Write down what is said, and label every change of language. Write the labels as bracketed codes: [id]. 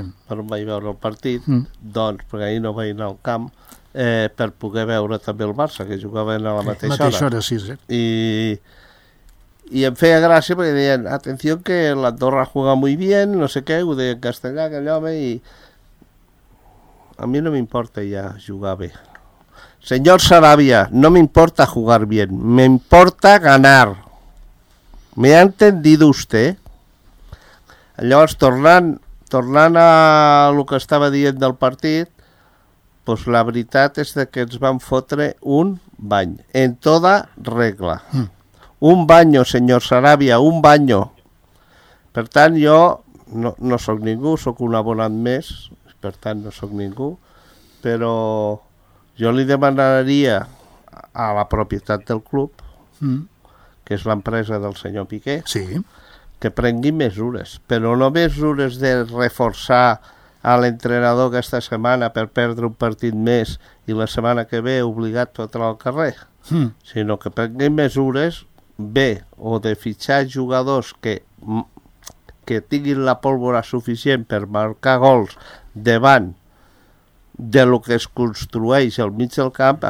[ca] Per on vaig veure el partit, doncs, perquè ahir no vaig anar al camp, per poder veure també el Barça, que jugaven a la mateixa hora. Sí, sí. I em feia gràcia perquè deien, atenció, que l'Andorra [es] juega muy bien, [ca] no sé què, ho deia en castellà, aquell home, i a mi no m'importa ja jugar bé. [es] Señor Sarabia, no me importa jugar bien, me importa ganar. ¿Me ha entendido usted? [ca] Llavors, tornant a el que estava dient del partit, pues la veritat és que ens van fotre un bany, en tota regla. [es] Un baño, senyor Sarabia, un baño. [ca] Per tant, jo no sóc ningú, sóc un abonat més, per tant, no sóc ningú, però jo li demanaria a la propietat del club, que és l'empresa del senyor Piqué, sí, que prengui mesures, però no mesures de reforçar a l'entrenador aquesta setmana per perdre un partit més i la setmana que ve obligat a entrar al carrer, sinó que prengui mesures bé, o de fitxar jugadors que tinguin la pólvora suficient per marcar gols davant de lo que es construeix al mig del camp.